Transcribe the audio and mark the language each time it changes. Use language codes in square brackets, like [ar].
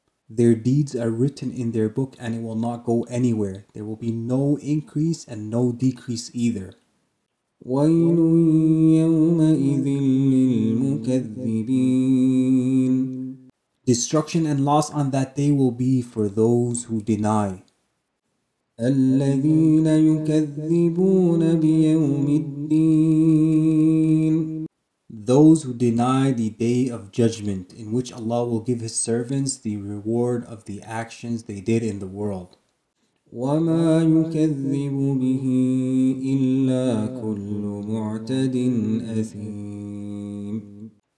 [en] Their deeds are written in their book and it will not go anywhere. There will be no increase and no decrease either. [ar] ويل يومئذ للمكذبين. [en] Destruction and loss on that day will be for those who deny. [ar] الذين يكذبون بيوم الدين. [en] Those who deny the day of judgment in which Allah will give His servants the reward of the actions they did in the world. [ar] وَمَا يُكَذِّبُ بِهِ إِلَّا كُلُّ مُعْتَدٍ أَثِيمٍ.